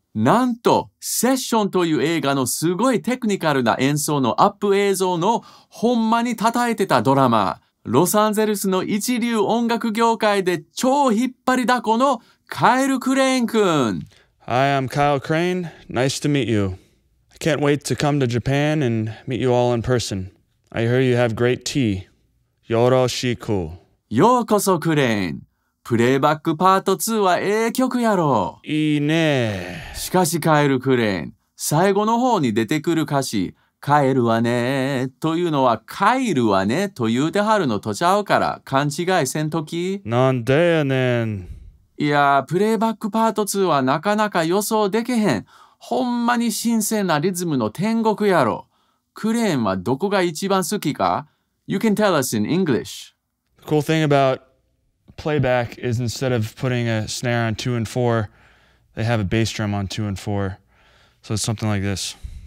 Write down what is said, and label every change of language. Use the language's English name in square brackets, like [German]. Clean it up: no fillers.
[Japanese] なんとセッションという映画のすごいテクニカルな演奏のアップ映像のほんまに叩いてたドラマー、ロサンゼルスの一流音楽業界で超引っ張りだこのカイル・クレーンくん。 [English] Hi, I'm Kyle Crane. Nice to meet you. I can't wait to come to Japan and meet you all in person. I hear you have great tea. [Japanese] よろしく。ようこそクレーン。プレイバックパート2はええ曲やろ。いいね。しかしカエルクレーン、最後の方に出てくる歌詞、カエルはねというのはカイルはねと言うてはるのとちゃうから勘違いせんとき。なんでやねん。いや、プレイバックパート2はなかなか予想でけへん。ほんまに新鮮なリズムの天国やろ。クレーンはどこが一番好きか ? [English] You can tell us in English. The cool thing aboutplayback is instead of putting a snare on 2 and 4, they have a bass drum on 2 and 4. So it's something like this.